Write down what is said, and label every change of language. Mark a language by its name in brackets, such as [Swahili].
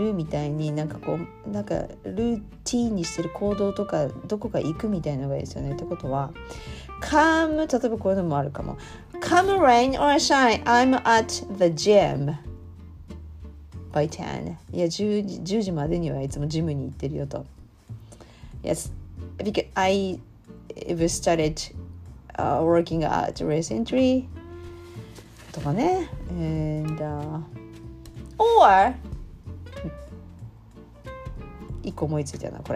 [Japanese] るみたいに、なんかこうなんかルーティーンにしてる行動とかどこか行くみたいなのがいいですよね。ってことは Come、 例えばこういうのもあるかも。 [English] Come rain or shine I'm at the gym by 10。 [Japanese] いや 10時までにはいつもジムに行ってるよと。 [English] Yes because I have started、working out recentlyとかね。 [Japanese] And、or 一個思いついたな。